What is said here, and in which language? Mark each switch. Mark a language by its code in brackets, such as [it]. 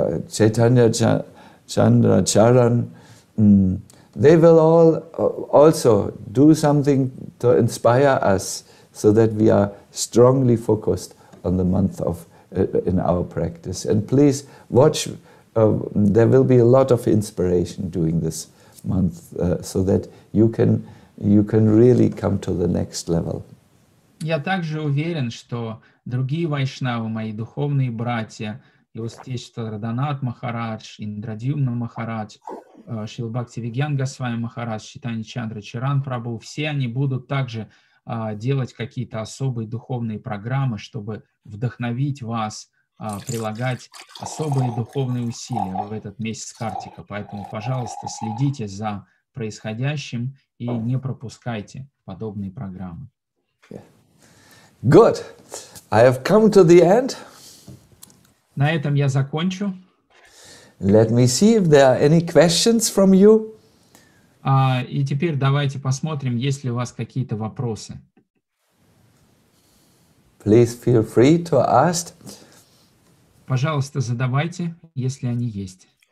[en] Chaitanya Chandra Charan, they will all also do something to inspire us so that we are strongly focused on the month of in our practice. And please watch, there will be a lot of inspiration during this month so that you can really come to the next level. [ru] Я также уверен, что другие вайшнавы, мои духовные братья, Иосифа Радханат Махарадж, Индрадьюмна Махарадж, Шрила Бхактивиджан Госвами Махарадж, Читани Чандра Чаран Прабху, все они будут также делать какие-то особые духовные программы, чтобы вдохновить вас прилагать особые духовные усилия в этот месяц Картика. Поэтому, пожалуйста, следите за происходящим и не пропускайте подобные программы. [en] Yeah. Good. I have come to the end. [ru] На этом я закончу. [en] Let me see if there are any questions from you. [ru] И теперь давайте посмотрим, есть ли у вас какие-то вопросы. [en] Please feel free to ask. [ru] Пожалуйста, задавайте, если они есть.